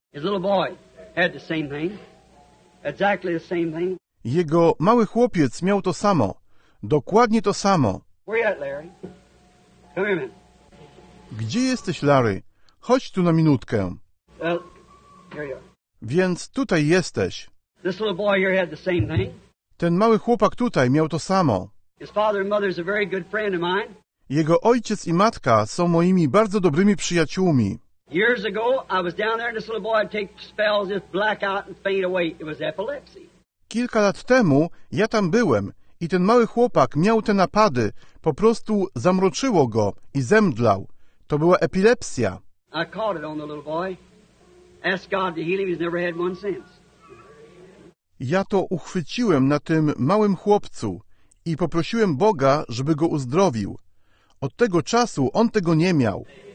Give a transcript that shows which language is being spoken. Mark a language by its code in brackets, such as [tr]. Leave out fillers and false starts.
[en] His little boy had the same thing. Exactly the same thing. [pl] Jego mały chłopiec miał to samo. Dokładnie to samo. [en] Where you at, Larry? Come here, man. [pl] Gdzie jesteś, Larry? Chodź tu na minutkę. [en] Here you are. [pl] Więc tutaj jesteś. [en] This little boy here had the same thing. [pl] Ten mały chłopak tutaj miał to samo. [en] His father and mother is a very good friend of mine. [pl] Jego ojciec i matka są moimi bardzo dobrymi przyjaciółmi. [en] Years ago, I was down there and this little boy would take spells, just black out and fade away. It was epilepsy. [pl] Kilka lat temu ja tam byłem i ten mały chłopak miał te napady. Po prostu zamroczyło go i zemdlał. To była epilepsja. [en] I caught it on the little boy. Asked God to heal him. He's never had one since. [pl] Ja to uchwyciłem na tym małym chłopcu i poprosiłem Boga, żeby go uzdrowił. Od tego czasu on tego nie miał.